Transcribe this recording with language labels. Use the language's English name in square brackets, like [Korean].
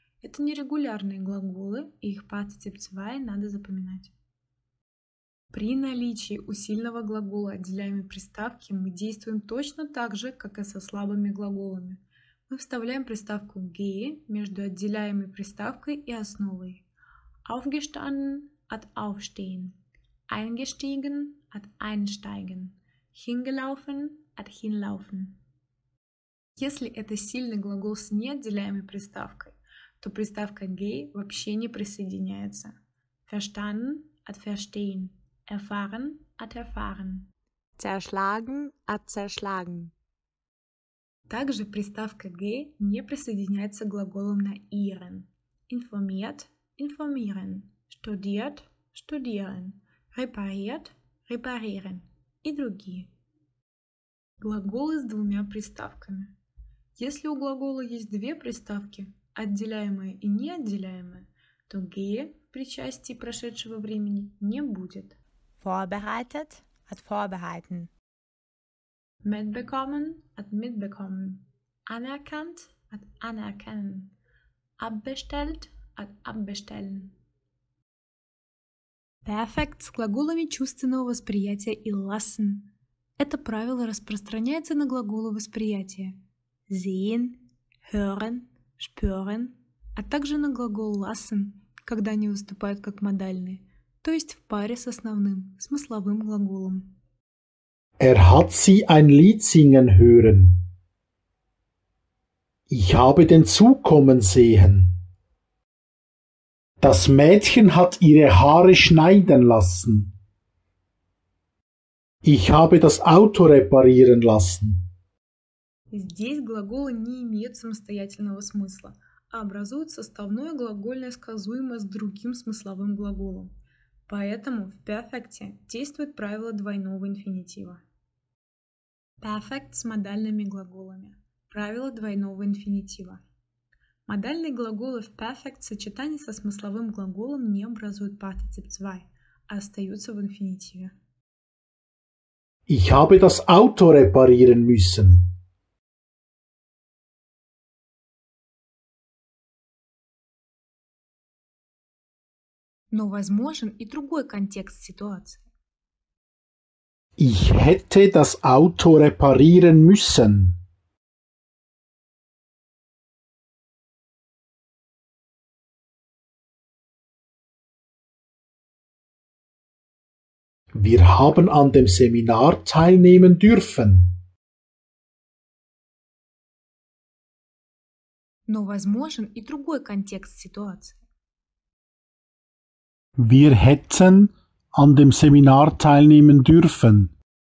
[Russian] Это нерегулярные глаголы, и их participe 2 надо запоминать. При наличии у сильного глагола отделяемой приставки мы действуем точно так же, как и со слабыми глаголами. Мы вставляем приставку ge между отделяемой приставкой и основой. [German] Aufgestanden – от aufstehen. Eingestiegen – от einsteigen. Hingelaufen – от hinlaufen. [Russian] Если это сильный глагол с неотделяемой приставкой, то приставка ge вообще не присоединяется. [German] Verstanden – от verstehen. Erfahren – от erfahren. Zerschlagen – от zerschlagen. [Russian] Также приставка ge не присоединяется к глаголам на ihren. [German] Informiert – informieren. Studiert – studieren. Repariert – reparieren. [Russian] И другие. Глаголы с двумя приставками. Если у глагола есть две приставки, отделяемая и неотделяемая, то ge в причастии прошедшего времени не будет. [German] Vorbereitet – от vorbereiten. Mitbekommen – от mitbekommen. Anerkannt – от anerkennen. Abbestellt – от abbestellen. [Russian] Perfekt с глаголами чувственного восприятия и lassen. Это правило распространяется на глаголы восприятия sehen, hören, spüren, а также на глагол lassen, когда они выступают как модальные, то есть в паре с основным, смысловым глаголом. [German] Er hat sie ein Lied singen hören. Ich habe den Zug kommen sehen. Das Mädchen hat ihre Haare schneiden lassen. Ich habe das Auto reparieren lassen. [Russian] Здесь глаголы не имеют самостоятельного смысла, а образуют составное глагольное сказуемое с другим смысловым глаголом. Поэтому в перфекте действует правило двойного инфинитива. Перфект с модальными глаголами. Правило двойного инфинитива. Модальные глаголы в перфект в сочетании со смысловым глаголом не образуют participe 2, а остаются в инфинитиве. [German] Ich habe das Auto reparieren müssen. [Russian] Но возможен и другой контекст ситуации. [German] Ich hätte das Auto reparieren müssen. Wir haben an dem Seminar teilnehmen dürfen. [Russian] Но возможен и другой контекст ситуации. [German] Wir hätten an dem Seminar teilnehmen dürfen.